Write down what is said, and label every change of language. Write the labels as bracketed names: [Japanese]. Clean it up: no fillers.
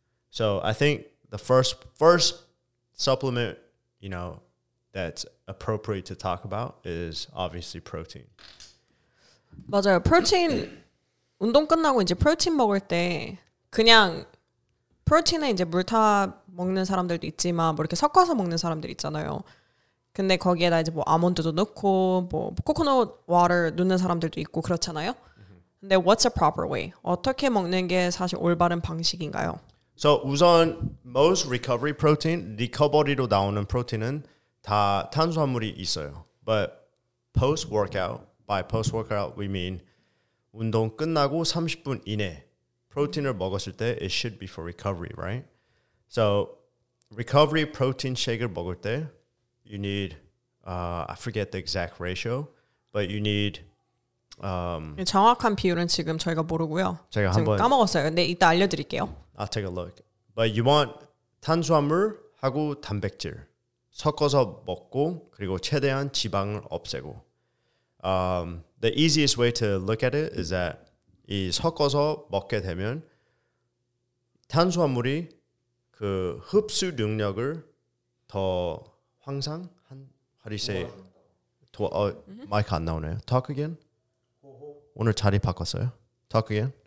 [English] So I think the first supplement, you know, that's appropriate to talk about is obviously protein. [Korean] 맞아요. 프로틴 운동 끝나고 이제 프로틴 먹을 때 그냥 프로틴에 이제 물타 먹는 사람들도 있지만 뭐 이렇게 섞어서 먹는 사람들 있잖아요. 근데 거기에다 이제 뭐 아몬드도 넣고 뭐 코코넛 워터 넣는 사람들도 있고 그렇잖아요. 근데 [English] what's a proper way? [Korean] 어떻게 먹는 게 사실 올바른 방식인가요? So 우선 [English] most recovery protein, [Korean] recovery로 나오는 프로틴은 다 탄수화물이 있어요. [English] But post workout, by post workout we mean [Korean] 운동 끝나고 30분 이내 프로틴을 먹었을 때 [English] it should be for recovery, right? So recovery protein shake을 [Korean] 먹을 때 [English] you need I forget the exact ratio, but you need [Korean] 정확한 비율은 지금 저희가 모르고요. 제가 한번 까먹었어요. 네, 이따 알려드릴게요. [English] I'll take a look. But you want [Korean] 탄수화물하고 단백질 섞어서 먹고 그리고 최대한 지방을 없애고. [English] The easiest way to look at it is that [Korean] 이 섞어서 먹게 되면 탄수화물이 그 흡수 능력을 더 향상 한 [English] how do you say [Korean] 도와 마이크 안 나오네요. [English] Talk again. [Korean] 호호. 오늘 자리 바꿨어요. Talk again.